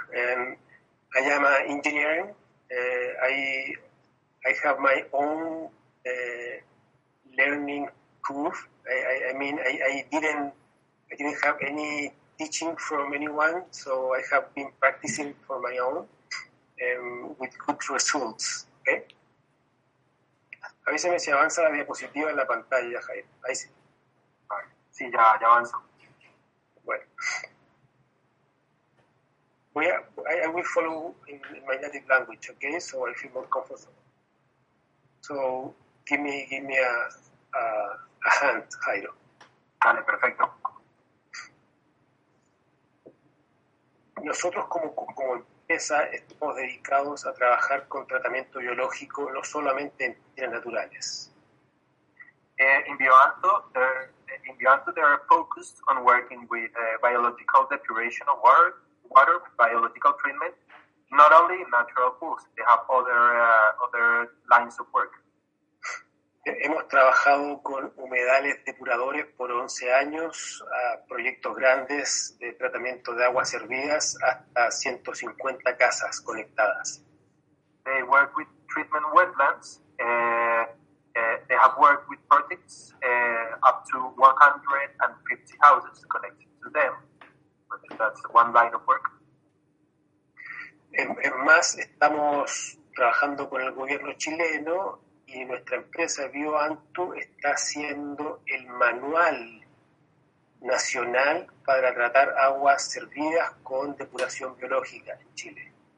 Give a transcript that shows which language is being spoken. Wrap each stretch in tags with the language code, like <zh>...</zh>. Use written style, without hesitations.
<en>And I am an engineer. I have my own learning curve. I didn't have any teaching from anyone, so I have been practicing for my own with good results. Okay.</en> <es>A veces me se avanza la diapositiva en la pantalla, Jair. Ahí sí. Sí, ya avanzo.</es> <en>Well, I will follow in my native language, okay? So I feel more comfortable. So give me a hand, Jairo.</en> <es>Dale, perfecto. Nosotros como empresa estamos dedicados a trabajar con tratamiento biológico, no solamente en tierras naturales.</es> <en>In Bioanto, they are focused on working with biological depuration of water, biological treatment, not only in natural pools. They have other lines of work.</en> <es>Hemos trabajado con humedales depuradores por 11 años, proyectos grandes de tratamiento de aguas hervidas hasta 150 casas conectadas.</es> <en>They work with treatment wetlands. They have worked with projects up to 150 houses connected to them. That's one line of work.</en> <es>En más, estamos trabajando con el gobierno chileno y nuestra empresa BioAntu está haciendo el manual nacional para tratar aguas servidas con depuración biológica en Chile.</es>